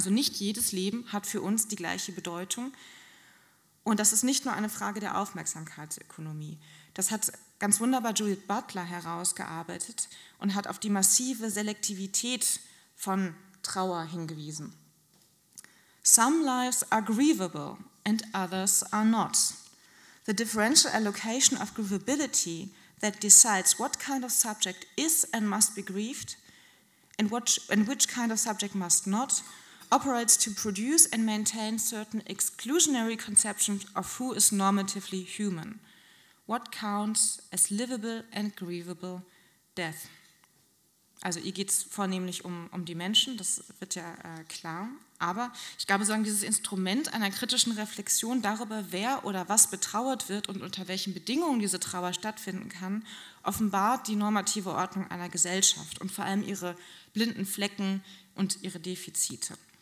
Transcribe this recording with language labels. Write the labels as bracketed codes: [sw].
[de] Also nicht jedes Leben hat für uns die gleiche Bedeutung. Und das ist nicht nur eine Frage der Aufmerksamkeitsökonomie. Das hat ganz wunderbar Judith Butler herausgearbeitet und hat auf die massive Selektivität von Trauer hingewiesen. [en] Some lives are grievable and others are not. The differential allocation of grievability that decides what kind of subject is and must be grieved and which kind of subject must not operates to produce and maintain certain exclusionary conceptions of who is normatively human. What counts as livable and grievable death? [de] Also hier geht es vornehmlich um die Menschen, das wird ja klar. Aber ich glaube, sagen, dieses Instrument einer kritischen Reflexion darüber, wer oder was betrauert wird und unter welchen Bedingungen diese Trauer stattfinden kann, offenbart die normative Ordnung einer Gesellschaft und vor allem ihre blinden Flecken und ihre Defizite.